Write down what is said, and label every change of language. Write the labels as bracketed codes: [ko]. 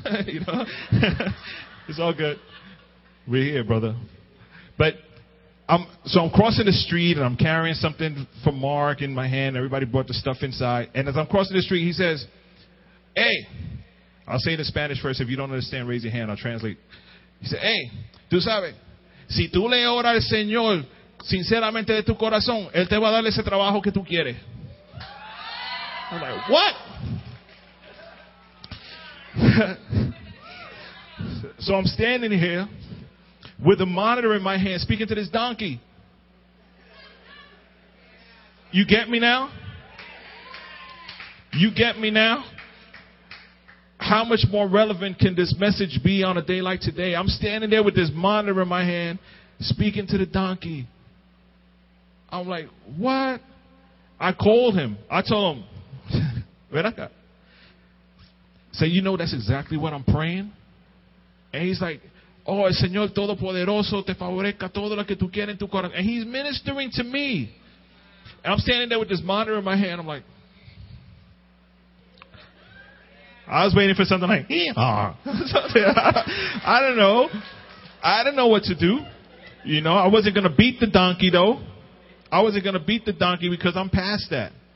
[en] You know, it's all good. We're here, brother. But I'm crossing the street, and I'm carrying something for Mark in my hand. Everybody brought the stuff inside. And as I'm crossing the street, he says, hey. I'll say it in Spanish first. If you don't understand, raise your hand. I'll translate. He said, hey, [es] tú sabes. Si tú le oras al Señor sinceramente de tu corazón, Él te va a dar ese trabajo que tú quieres. [en] I'm like, what? So I'm standing here with a monitor in my hand speaking to this donkey. You get me now? You get me now? How much more relevant can this message be on a day like today? I'm standing there with this monitor in my hand speaking to the donkey. I'm like, what? I called him. I told him, Veraka. Say, you know, that's exactly what I'm praying. And he's like, oh, [es] el Señor Todopoderoso te favorezca todo lo que tú quieres en tu corazón. [en] And he's ministering to me. And I'm standing there with this monitor in my hand. I'm like, I was waiting for something like, I don't know. I don't know what to do. You know, I wasn't going to beat the donkey, though. I wasn't going to beat the donkey because I'm past that.